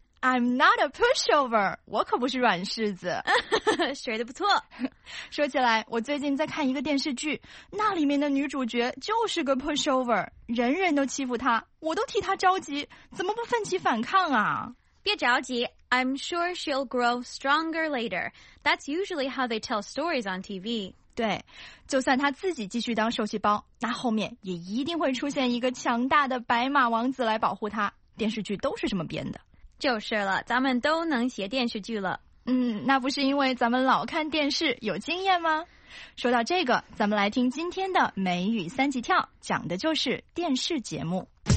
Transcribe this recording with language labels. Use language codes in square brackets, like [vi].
[en] I'm not a pushover， [zh] 我可不是软柿子。学的不错。说起来，我最近在看一个电视剧，那里面的女主角就是个 pushover， 人人都欺负她，我都替她着急，怎么不奋起反抗啊？别着急 [en] ，I'm sure she'll grow stronger later. That's usually how they tell stories on TV. [zh] 对，就算她自己继续当受气包，那后面也一定会出现一个强大的白马王子来保护她。电视剧都是这么编的。就是了，咱们都能写电视剧了。那不是因为咱们老看电视有经验吗？说到这个，咱们来听今天的美语三级跳，讲的就是电视节目。